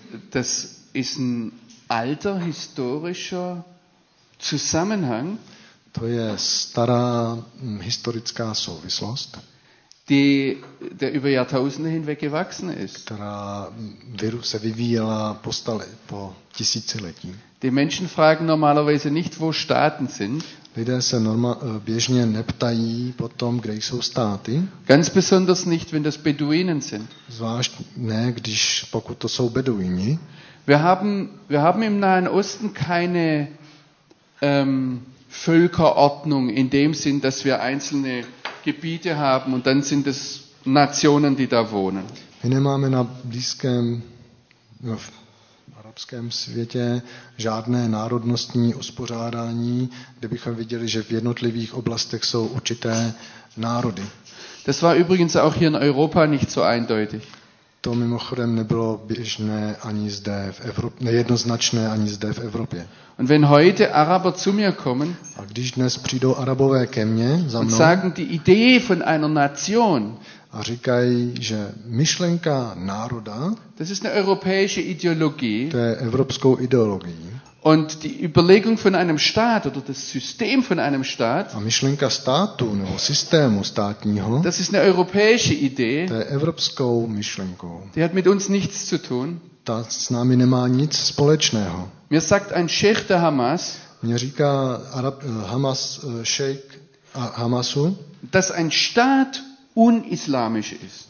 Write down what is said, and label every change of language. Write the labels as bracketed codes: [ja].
[de] Das ist ein alter historischer Zusammenhang. [cs] To je stará historická souvislost. [de] Der über Jahrtausende hinweg gewachsen ist. [cs] Která se vyvíjela po tisíciletí. [de] Die Menschen fragen normalerweise nicht, wo Staaten sind. [cs] Lidé se běžně neptají potom, kde jsou státy. [de] Ganz besonders nicht, wenn das Beduinen sind. [cs] Zvlášť ne, pokud to jsou Beduini. [de] Wir haben im Nahen Osten keine Völkerordnung in dem Sinn, dass wir einzelne Gebiete haben und dann sind es Nationen, die da wohnen. [cs] My nemáme na blízkém v arabském světě žádné národnostní uspořádání, kde bychom viděli, že v jednotlivých oblastech jsou určité národy. [de] Das war übrigens auch hier in Europa nicht so eindeutig. [cs] To mimochodem nebylo běžné ani zde v Evropě, nejednoznačné ani zde v Evropě. [de] Und wenn heute Araber zu mir kommen, [cs] a když dnes přijdou Arabové ke mně za mnou, [de] und sagen die Idee von einer Nation, [cs] a říkají, že myšlenka národa, [de] das ist eine europäische Ideologie, [cs] to je evropskou ideologií, [de] und die Überlegung von einem Staat oder das System von einem Staat, [cs] a myšlenka státu nebo systému státního, [de] das ist eine europäische Idee, [cs] to je evropskou myšlenkou, [de] die hat mit uns nichts zu tun, [cs] ta s námi nemá nic společného. [de] Mir sagt ein Sheikh der Hamas, [cs] mě říká Sheikh Hamasu, [de] dass ein Staat unislamisch ist.